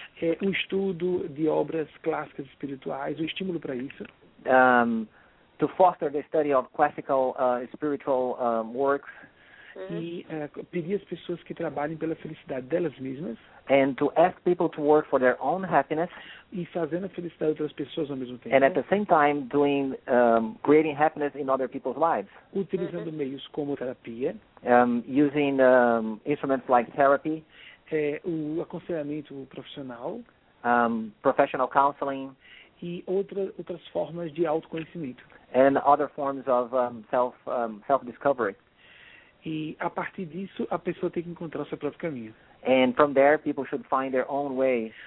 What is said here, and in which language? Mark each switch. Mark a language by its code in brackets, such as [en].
[pt] Um estudo de obras clássicas espirituais, um estímulo para isso. [en] To foster the study of classical spiritual works. [pt] E pedir às pessoas que trabalhem pela felicidade delas mesmas. [en] And to ask people to work for their own happiness. [pt] E fazendo a felicidade de outras pessoas ao mesmo tempo. [en] And at the same time doing creating happiness in other people's lives. [pt] Utilizando meios como terapia. [en] Using instruments like therapy. [pt] O aconselhamento profissional. [en] Professional counseling. [pt] E outras formas de autoconhecimento. [en] And other forms of self-discovery. [pt] E a partir disso, a pessoa tem que encontrar o seu próprio caminho. [en] And from there, people should find their own way.